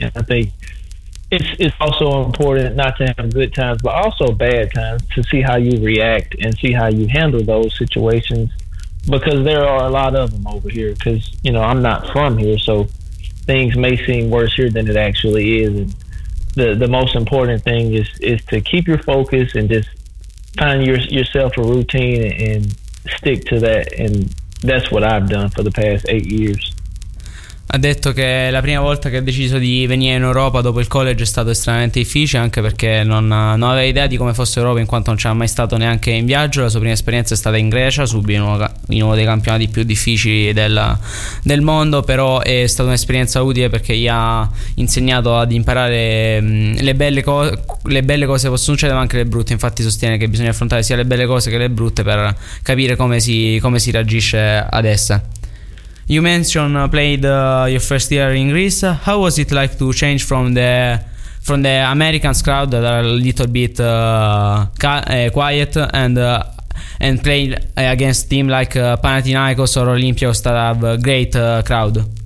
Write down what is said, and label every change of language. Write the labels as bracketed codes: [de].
[en] And I think it's also important not to have good times but also bad times, to see how you react and see how you handle those situations, because there are a lot of them over here, because, you know, I'm not from here, so things may seem worse here than it actually is. And the most important thing is to keep your focus and just find yourself a routine and stick to that. And that's what I've done for the past 8 years. [it] Ha detto che la prima volta che ha deciso di venire in Europa dopo il college è stato estremamente difficile, anche perché non aveva idea di come fosse Europa, in quanto non c'era mai stato neanche in viaggio. La sua prima esperienza è stata in Grecia, subito in uno dei campionati più difficili del mondo, però è stata un'esperienza utile perché gli ha insegnato ad imparare le belle cose che possono succedere, ma anche le brutte. Infatti sostiene che bisogna affrontare sia le belle cose che le brutte per capire come si reagisce ad esse. [en] You mentioned played your first year in Greece. How was it like to change from the American crowd that are a little bit quiet and play against team like Panathinaikos or Olympiakos that have a great crowd?